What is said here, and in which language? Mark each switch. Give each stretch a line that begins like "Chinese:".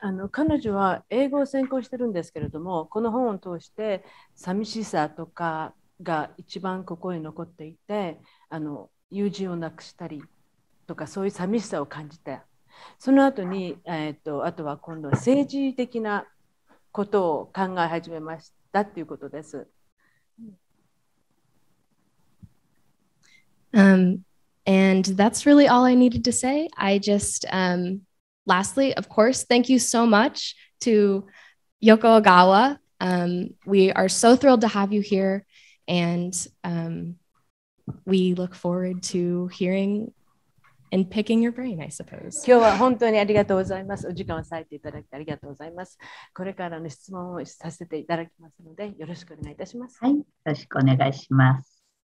Japanese: 彼女は英語を専攻してるんですけれども、この本を通して寂しさとかが一番ここに残っていて、友人を亡くしたりとか、そういう寂しさを感じて、その後に、あとは今度は政治的なことを考え始めましたっていうことです。
English: And that's really all I needed to say. I just, Lastly, of course, thank you so much to Yoko Ogawa. We are so thrilled to have you here, and we look forward to hearing and picking your brain, I suppose.
Japanese: 今日は本当にありがとうございます。お時間を割いていただきありがとうございます。これからの質問をさせていただきますので、よろしくお願いいたします。はい、よろしくお願いします。